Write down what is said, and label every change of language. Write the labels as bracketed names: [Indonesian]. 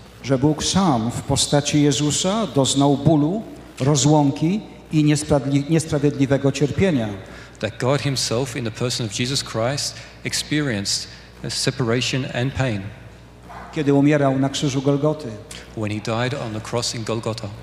[Polish] Że Bóg sam w postaci Jezusa doznał bólu, rozłąki i niesprawiedliwego cierpienia. [English] That God himself in the person of Jesus Christ experienced separation and pain. [Polish] Kiedy umierał na krzyżu Golgoty. [English] When he died on the cross in Golgotha.